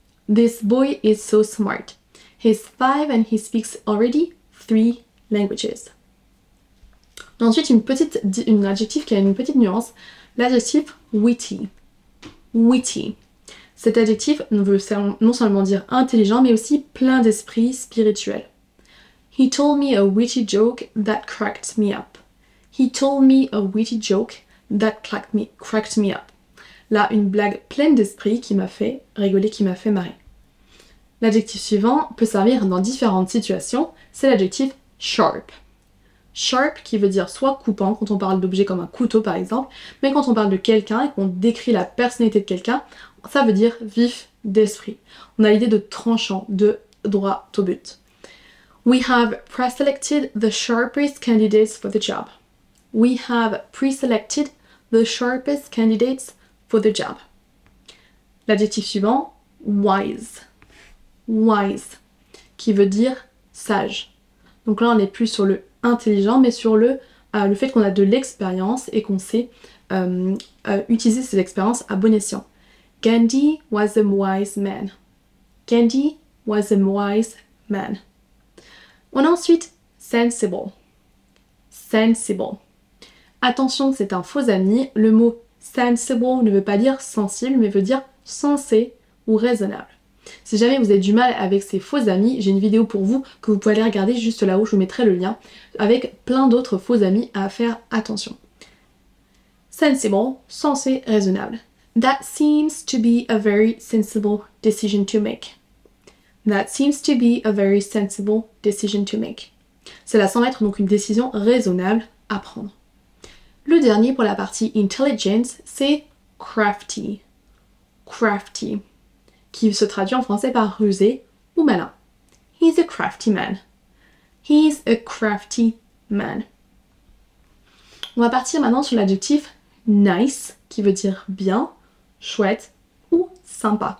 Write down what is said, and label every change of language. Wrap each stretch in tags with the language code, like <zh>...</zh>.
<en>This boy is so smart. He's 5 and he speaks already 3 languages.</en> <fr>Ensuite, un adjectif qui a une petite nuance. L'adjectif witty. Witty. Cet adjectif veut non seulement dire intelligent, mais aussi plein d'esprit spirituel.</fr> <en>He told me a witty joke that cracked me up. He told me a witty joke that cracked me up.</en> <fr>Là, une blague pleine d'esprit qui m'a fait rigoler, qui m'a fait marrer. L'adjectif suivant peut servir dans différentes situations. C'est l'adjectif sharp. Sharp qui veut dire soit coupant quand on parle d'objet comme un couteau par exemple, mais quand on parle de quelqu'un et qu'on décrit la personnalité de quelqu'un, ça veut dire vif d'esprit. On a l'idée de tranchant, de droit au but.</fr> <en>We have pre-selected the sharpest candidates for the job. We have pre-selected the sharpest candidates for the job.</en> <fr>L'adjectif suivant, wise. Wise, qui veut dire sage. Donc là, on n'est plus sur le intelligent, mais sur le fait qu'on a de l'expérience et qu'on sait utiliser ses expériences à bon escient.</fr> <en>Gandhi was a wise man. Gandhi was a wise man.</en> <fr>On a ensuite sensible. Sensible. Attention, c'est un faux ami. Le mot sensible ne veut pas dire sensible, mais veut dire sensé ou raisonnable. Si jamais vous avez du mal avec ces faux amis, j'ai une vidéo pour vous que vous pouvez aller regarder juste là-haut, je vous mettrai le lien, avec plein d'autres faux amis à faire attention. Sensible, sensé, raisonnable.</fr> <en>That seems to be a very sensible decision to make. That seems to be a very sensible decision to make.</en> <fr>Cela semble être donc une décision raisonnable à prendre. Le dernier pour la partie intelligence, c'est crafty. Crafty, qui se traduit en français par rusé ou malin.</fr> <en>He's a crafty man. He's a crafty man.</en> <fr>On va partir maintenant sur l'adjectif nice, qui veut dire bien, chouette ou sympa.</fr>